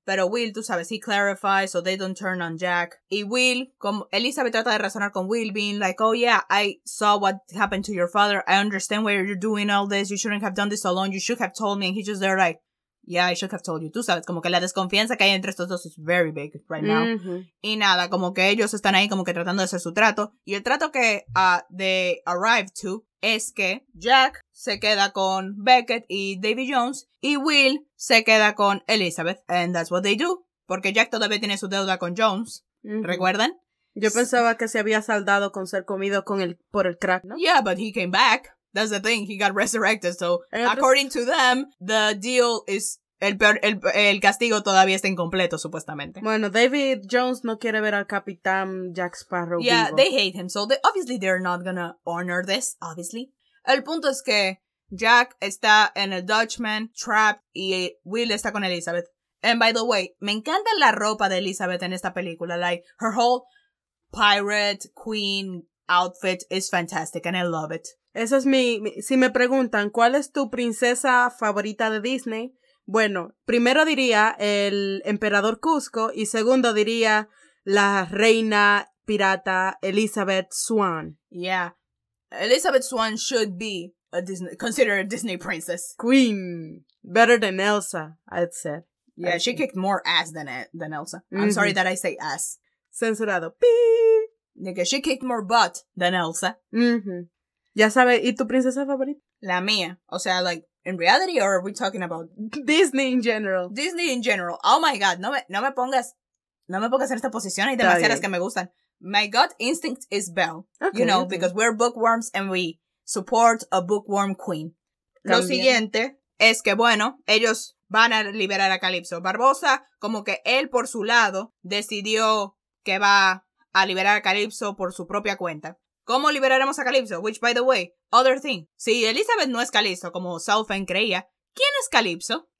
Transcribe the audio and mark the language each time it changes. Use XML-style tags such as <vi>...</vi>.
<es>Pero Will, tú sabes,</es> <en>he clarifies so they don't turn on Jack.</en> <es>Y Will, como Elizabeth trata de razonar con Will,</es> <en>being like, oh yeah, I saw what happened to your father. I understand why you're doing all this. You shouldn't have done this alone. You should have told me. And he's just there like, yeah, I should have told you.</en> <es>Tú sabes, como que la desconfianza que hay entre estos dos</es> <en>is very big right now.</en> <es>Mm-hmm. Y nada, como que ellos están ahí como que tratando de hacer su trato. Y el trato que</es> <en>they arrived to</en> <es>es que Jack se queda con Beckett y Davy Jones y Will se queda con Elizabeth.</es> <en>And that's what they do.</en> <es>Porque Jack todavía tiene su deuda con Jones. Mm-hmm. ¿Recuerdan? Yo pensaba que se había saldado con ser comido con el, por el crack, ¿no?</es> <en>Yeah, but he came back. That's the thing, he got resurrected, so according to them, the deal is,</en> <es>el castigo todavía está incompleto, supuestamente. Bueno, David Jones no quiere ver al Capitán Jack Sparrow vivo.</es> <en>Yeah, they hate him, so they, obviously they're not gonna honor this, obviously.</en> <es>El punto es que Jack está en el Dutchman, trapped, y Will está con Elizabeth.</es> <en>And by the way,</en> <es>me encanta la ropa de Elizabeth en esta película,</es> <en>like, her whole pirate queen outfit is fantastic, and I love it.</en> <es>Esa es mi, si me preguntan, ¿cuál es tu princesa favorita de Disney? Bueno, primero diría el emperador Cusco y segundo diría la reina pirata Elizabeth Swann.</es> <en>Yeah, Elizabeth Swann should be a Disney, considered a Disney princess. Queen, better than Elsa, I'd say. Yeah, she kicked more ass than Elsa. Mm-hmm. I'm sorry that I say ass.</en> <es>Censurado. Beep.</es> <en>Nigga, she kicked more butt than Elsa.</en> <es>Mm-hmm. Ya sabes, ¿y tu princesa favorita? La mía.</es> <en>O sea, like, in reality, or are we talking about... Disney in general. Disney in general. Oh my God,</en> <es>no me pongas en esta posición. Hay demasiadas que me gustan.</es> <en>My gut instinct is Belle. Okay, you know, okay. Because we're bookworms and we support a bookworm queen.</en> <es>También. Lo siguiente es que, bueno, ellos van a liberar a Calypso. Barbosa, como que él por su lado, decidió que va a liberar a Calypso por su propia cuenta. ¿Cómo liberaremos a Calypso?</es> <en>Which, by the way, other thing.</en> <es>Si Elizabeth no es Calypso, como Southend creía, ¿quién es Calypso?</es>